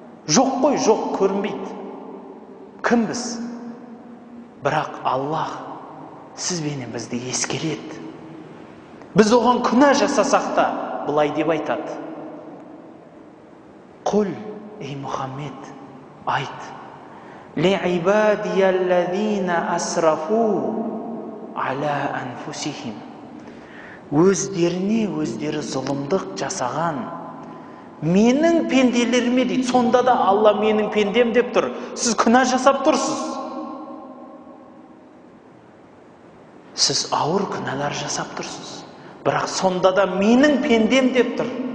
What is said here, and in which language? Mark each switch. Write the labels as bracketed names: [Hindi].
[Kazakh] Жоқ қой, жоқ, көрінбейді. Кімбіз? Бірақ Алла сіз бенен бізді ескереді. Біз оған күнә жасасақ та, бұлай деп айтады. Құл, ей Мұхаммед, айт. [Arabic] Ли'ибадия аллазина асрафу аля анфусихим. [Kazakh] Өздеріне өздері зұлымдық жасаған. Менің пенделеріме дейді. Сонда да Алла менің пендем деп тұр. Сіз күнә жасап тұрсыз. Сіз ауыр күнәлер жасап тұрсыз. Бірақ сонда да менің пендем деп тұр.